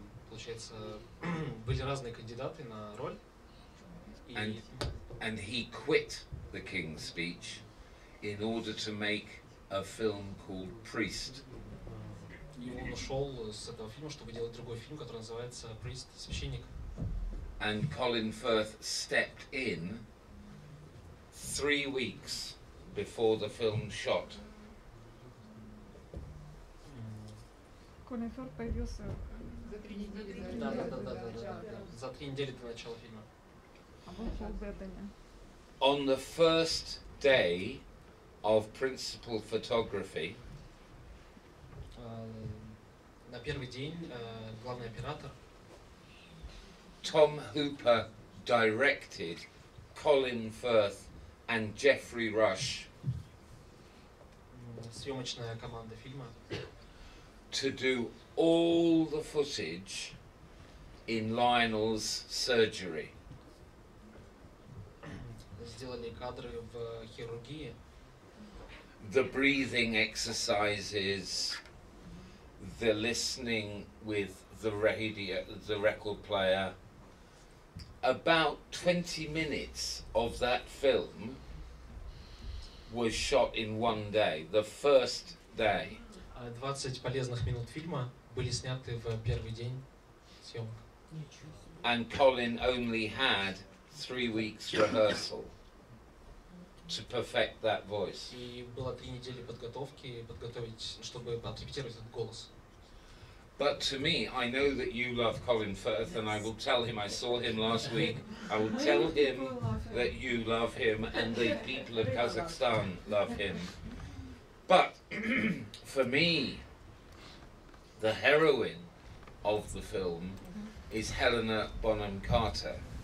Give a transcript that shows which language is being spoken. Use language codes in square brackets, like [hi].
[ru] Получается, были разные кандидаты на роль. [en] And he quit the King's Speech in order to make a film called Priest. [ru] И он ушел с этого фильма, чтобы делать другой фильм, который называется Priest, священник. [en] And Colin Firth stepped in 3 weeks before the film shot. [ru] Колин Фёрд появился за 3 недели до начала фильма. А вот Пол Бреттани. [en] On the first day of principal photography. [ru] На первый день главный оператор. [en] Tom Hooper directed Colin Firth and Jeffrey Rush. [ru] Съемочная команда фильма. [en] To do all the footage in Lionel's surgery. [ru] Сделали кадры в хирургии. [en] The breathing exercises, the listening with the radio, the record player. About 20 minutes of that film was shot in one day, the first day. [ru] 20 полезных минут фильма были сняты в первый день съемок. [en] And Colin only had 3 weeks rehearsal to perfect that voice. [ru] И было 3 недели подготовки, подготовить, чтобы отрепетировать этот голос. [en] But to me, I know that you love Colin Firth, yes. And I will tell him I saw him last week. I will tell him that you love him and the people of Kazakhstan love him. But for me, the heroine of the film is Helena Bonham Carter.